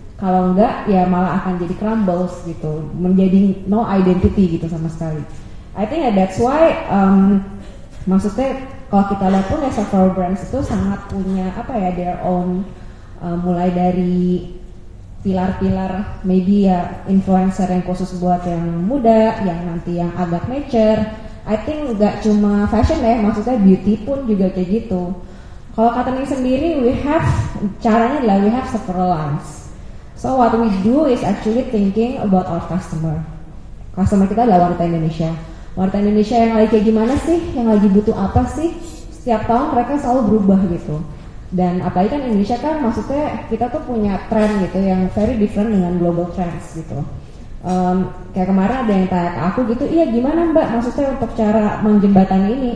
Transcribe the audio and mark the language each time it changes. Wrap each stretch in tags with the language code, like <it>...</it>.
<id>Kalau enggak ya malah akan jadi crumbles gitu, menjadi</id> <en>no identity</en> <id>gitu sama sekali.</id> <en>I think that's why</en> <id>maksudnya kalau kita lihat pun ya several brands itu sangat punya</id> <en>their own.</en> <id>Mulai dari pilar-pilar maybe ya influencer yang khusus buat yang muda, yang nanti yang agak mature.</id> <en>I think</en> <id>gak cuma fashion ya, maksudnya beauty pun juga kayak gitu. Kalau Katrin sendiri,</id> <en>we have</en> <id>caranya adalah</id> <en>we have several lines. So what we do is actually thinking about our customer.</en> <id>Customer kita adalah wanita Indonesia. Wanita Indonesia yang lagi kayak gimana sih? Yang lagi butuh apa sih? Setiap tahun mereka selalu berubah gitu. Dan apalagi kan Indonesia kan maksudnya kita tuh punya trend gitu yang</id> <en>very different</en> <id>dengan</id> <en>global trends</en> <id>gitu. Kayak kemarin ada yang tanya aku gitu, iya gimana mbak maksudnya untuk cara menjembatani ini?</id>